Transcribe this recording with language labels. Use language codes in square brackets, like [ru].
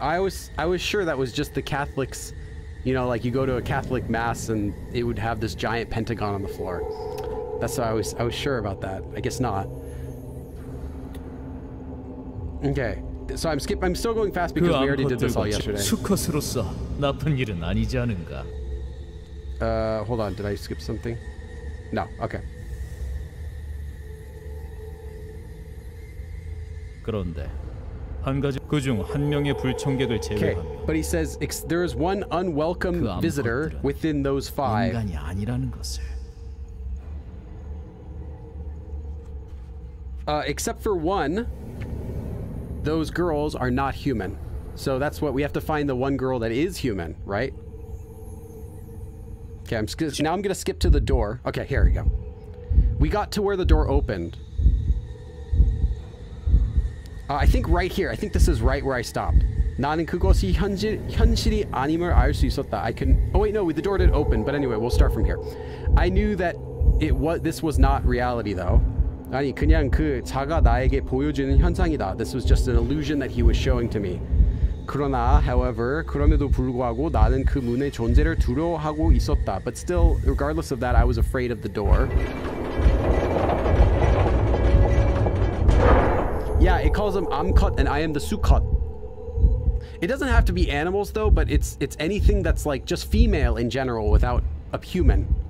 [en] I was sure that was just the Catholics. You know, like you go to a Catholic mass and it would have this giant pentagon on the floor. That's why I was sure about that. I guess not. Okay. So I'm still going fast because we already did this all yesterday. [ko] 수컷으로서 나쁜 일은 아니지 않은가? [en] Hold on. Did I skip something? No. Okay. [ko] 그런데 한 가지 그중 한 명의 불청객을 제외하면 [en] okay. But he says there is one unwelcome visitor within those five. [ko] 인간이 아니라는 것을. [en] Except for one, those girls are not human. So that's what we have to find, the one girl that is human, right? Okay, I'm gonna skip to the door. Okay, here we go. We got to where the door opened. I think right here. I think this is right where I stopped. [ko] 나는 그곳이 현실이 아님을 알 수 있었다. [en] I can. Oh wait, no, the door did open. But anyway, we'll start from here. I knew that it was. This was not reality, though. [ko] 아니 그냥 그 자가 나에게 보여주는 현상이다. [en] This was just an illusion that he was showing to me. [ko] 그러나, however, 그럼에도 불구하고 나는 그 문의 존재를 두려워하고 있었다. [en] But still, regardless of that, I was afraid of the door. Yeah, it calls him Amkot and I am the Sukot. It doesn't have to be animals though, but it's anything that's like just female in general without a human.